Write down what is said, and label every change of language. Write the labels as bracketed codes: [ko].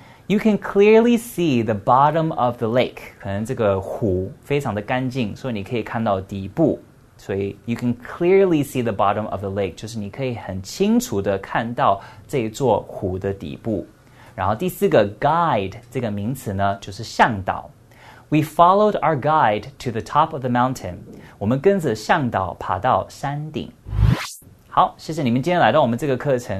[en] You can clearly see the bottom of the lake. [zh] 可能这个湖非常的干净，所以你可以看到底部。所以 [en] you can clearly see the bottom of the lake. [zh] 就是你可以很清楚的看到这一座湖的底部。然后第四个 guide 这个名词呢，就是向导。 [en] We followed our guide to the top of the mountain. [zh] 我们跟着向导爬到山顶。好，谢谢你们今天来到我们这个课程。